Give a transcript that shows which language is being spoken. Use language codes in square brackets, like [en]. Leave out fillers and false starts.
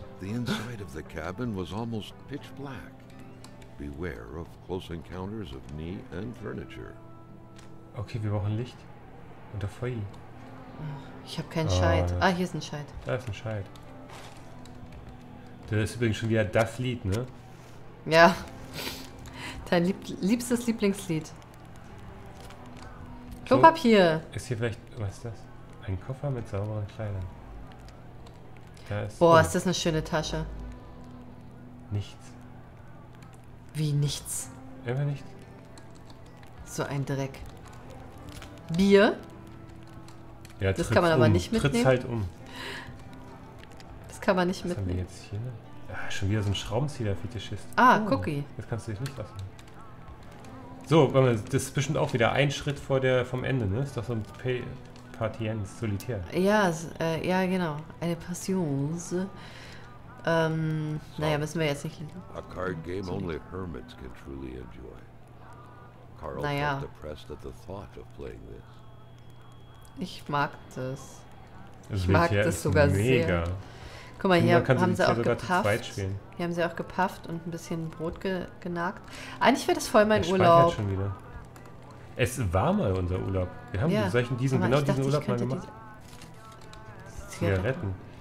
[en] The inside of the cabin was almost pitch black. Beware of close encounters of knee and furniture. [de] Okay, wir brauchen Licht und der Feuer. Ach, ich habe keinen Scheit. Ah, hier ist ein Scheit. Da ist ein Scheit. Das ist übrigens schon wieder das Lied, ne? Ja. Dein liebstes Lieblingslied. Klopapier! So, ist hier vielleicht, was ist das? Ein Koffer mit sauberen Kleidern. Da ist boah, ist das eine schöne Tasche. Nichts. Wie nichts? Immer nichts. So ein Dreck. Bier? Ja, das kann man aber nicht mitnehmen. Tritt halt um. Das kann man nicht was mitnehmen. Was haben wir jetzt hier? Ne? Ja, schon wieder so ein Schraubenzieher-Fetischist. Ah, Cookie. Jetzt kannst du dich nicht lassen. So, das ist bestimmt auch wieder ein Schritt vor der vom Ende, ne? Ist doch so ein Patience, solitär. Ja, ja, genau. Eine Passion. Naja, müssen wir jetzt nicht lesen. [en] A card game only hermits can truly enjoy. Carl felt depressed at the thought of playing this. [de] Ich mag das. Ich mag das sogar sehr. Guck mal, hier haben sie auch gepafft. Hier haben sie auch gepafft und ein bisschen Brot genagt. Eigentlich wäre das voll mein Urlaub. Schon wieder. Es war mal unser Urlaub. Wir haben diesen Urlaub mal gemacht. Zigaretten.